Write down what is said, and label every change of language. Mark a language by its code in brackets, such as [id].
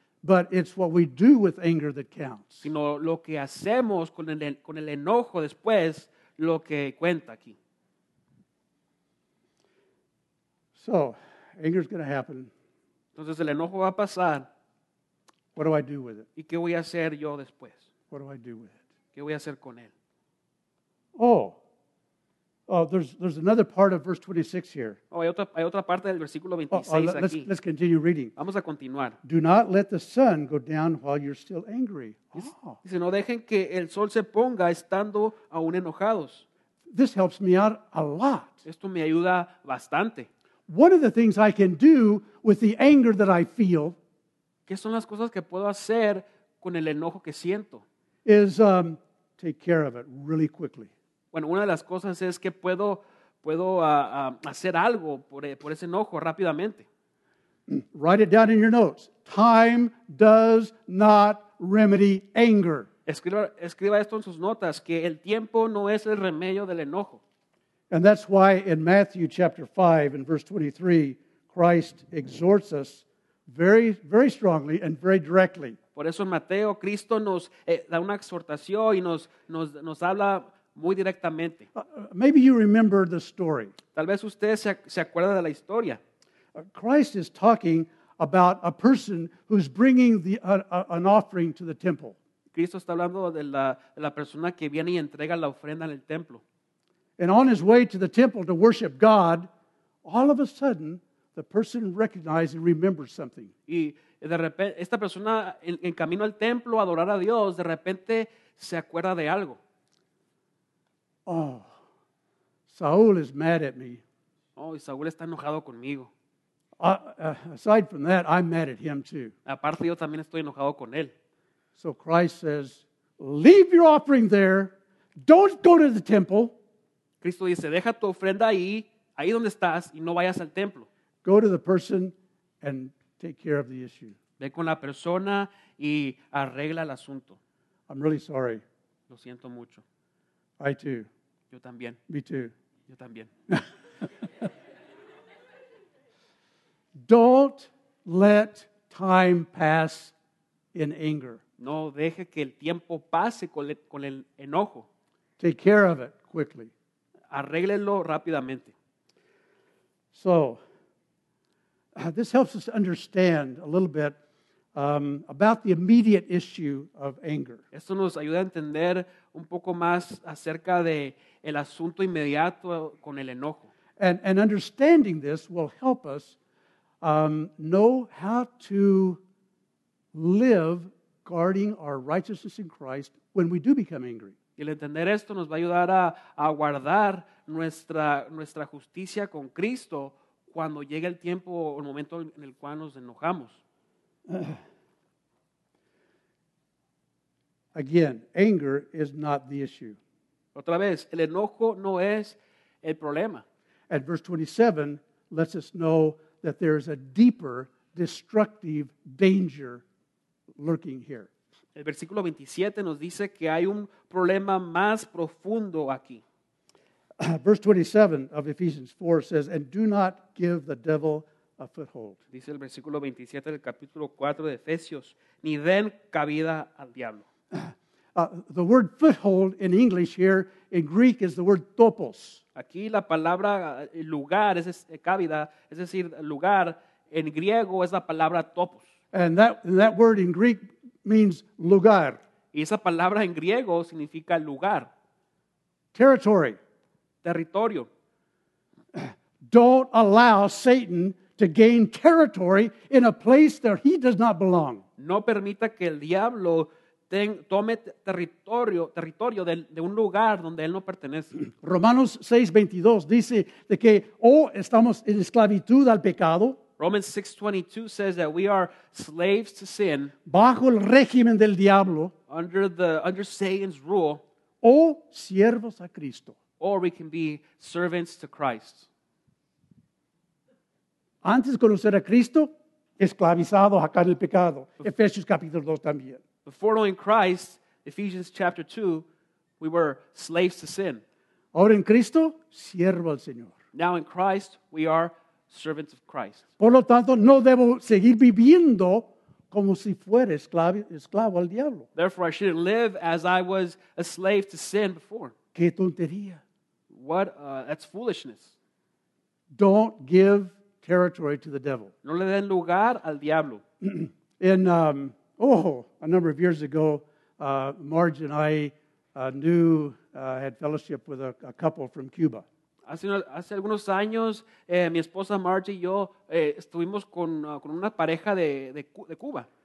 [en] But it's what we do with anger that counts. [es] Sino lo que hacemos con el enojo después, lo que cuenta aquí. [en] So, anger is going to happen. [es] Entonces el enojo va a pasar. [en] What do I do with it? [es] ¿Y qué voy a hacer yo después? [en] What do I do with it? [es] ¿Qué voy a hacer con él? [en] Oh, there's another part of verse 26 here. [es] Oh, hay otra parte del versículo 26 aquí. [en] Let's continue reading. [es] Vamos a continuar. [en] Do not let the sun go down while you're still angry. Oh. [es] Dice, no dejen que el sol se ponga estando aún enojados. [en] This helps me out a lot. [es] Esto me ayuda bastante. [en] One of the things I can do with the anger that I feel, [es] ¿qué son las cosas que puedo hacer con el enojo que siento? [en] Is take care of it really quickly. [es] Bueno, una de las cosas es que puedo hacer algo por ese enojo rápidamente. [en] Write it down in your notes. Time does not remedy anger. [es] Escriba esto en sus notas, que el tiempo no es el remedio del enojo. [en] And that's why in Matthew chapter 5 and verse 23, Christ exhorts us very, very strongly and very directly. [es] Por eso en Mateo, Cristo nos da una exhortación y nos habla muy directamente. [en] Maybe you remember the story. [es] Tal vez usted se acuerda de la historia. [en] Christ is talking about a person who's bringing the an offering to the temple. [es] Cristo está hablando de la persona que viene y entrega la ofrenda en el templo. [en] And on his way to the temple to worship God, all of a sudden, the person recognizes and remembers something. [es] Y de repente, esta persona en camino al templo a adorar a Dios, de repente se acuerda de algo. [en] Oh, Saúl is mad at me. [es] Oh, Saúl está enojado conmigo. [en] Aside from that, I'm mad at him too. [es] Aparte, yo también estoy enojado con él. [en] So Christ says, leave your offering there. Don't go to the temple. [es] Cristo dice, deja tu ofrenda ahí, ahí donde estás, y no vayas al templo. [en] Go to the person and take care of the issue. [es] Ve con la persona y arregla el asunto. [en] I'm really sorry. [es] Lo siento mucho. [en] I too. [es] Yo también. [en] Me too. [es] Yo también. [en] Don't let time pass in anger. [es] No deje que el tiempo pase con el enojo. [en] Take care of it quickly. [es] Arréglelo rápidamente. [en] So, this helps us understand a little bit about the immediate issue of anger. [es] Esto nos ayuda a entender un poco más acerca de el asunto inmediato con el enojo. [en] And understanding this will help us know how to live guarding our righteousness in Christ when we do become angry. [es] Y el entender esto nos va a ayudar a guardar nuestra justicia con Cristo cuando llegue el tiempo o el momento en el cual nos enojamos. [en] Again, anger is not the issue. [es] Otra vez, el enojo no es el problema. [en] And verse 27 lets us know that there is a deeper destructive danger lurking here. [es] El versículo 27 nos dice que hay un problema más profundo aquí. [en] Verse 27 of Ephesians 4 says, and do not give the devil a foothold. [es] Dice el versículo 27 del capítulo 4 de Efesios, ni den cabida al diablo. [en] The word foothold in English here, in Greek, is the word topos. [es] Aquí la palabra lugar, es cabida, es decir, lugar, en griego es la palabra topos. [en] And that word in Greek means lugar. [es] Y esa palabra en griego significa lugar. [en] Territory. [es] Territorio. [en] Don't allow Satan to gain territory in a place that he does not belong. [es] No permita que el diablo tome territorio de un lugar donde él no pertenece. Romanos 6:22 dice de que estamos en esclavitud al pecado. [en] Romans 6:22 says that we are slaves to sin. [es] Bajo el régimen del diablo. [en] Under Satan's rule. [es] O siervos a Cristo. [en] Or we can be servants to Christ. [es] Antes de conocer a Cristo, esclavizado acá en el pecado. Efesios capítulo 2 también. [en] Before knowing Christ, Ephesians chapter 2, we were slaves to sin. [es] Ahora en Cristo, siervo al Señor. [en] Now in Christ, we are servants of Christ. [es] Por lo tanto, no debo seguir viviendo como si fuera esclavo al diablo. [en] Therefore, I shouldn't live as I was a slave to sin before. [es] Qué tontería. [en] What? That's foolishness. Don't give territory to the devil. No le den lugar al diablo. In a number of years ago, Marge and I had fellowship with a couple from Cuba. [es] Hace algunos años, mi esposa Marge y yo estuvimos con una pareja de Cuba.